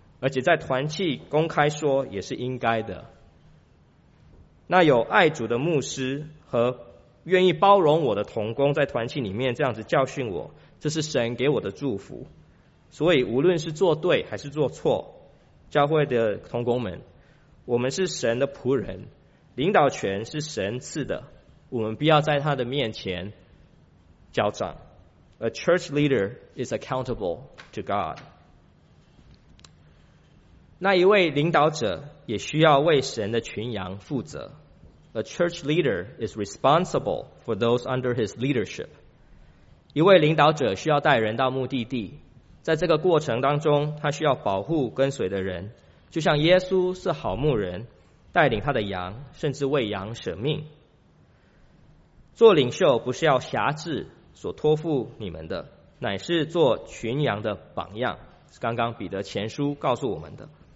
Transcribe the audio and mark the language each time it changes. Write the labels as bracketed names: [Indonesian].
[Chinese] 而且在团契公开说也是应该的。那有爱主的牧师和愿意包容我的同工在团契里面这样子教训我，这是神给我的祝福。所以无论是做对还是做错，教会的同工们，我们是神的仆人，领导权是神赐的，我们必要在他的面前交账。 [English] A church leader is accountable to God。 [Chinese] 那一位领导者也需要为神的群羊负责。 [English] A church leader is responsible for those under his leadership。 [Chinese] 一位领导者需要带人到目的地，在这个过程当中，他需要保护跟随的人，就像耶稣是好牧人，带领他的羊，甚至为羊舍命。做领袖不是要辖制所托付你们的，乃是做群羊的榜样，是刚刚彼得前书告诉我们的。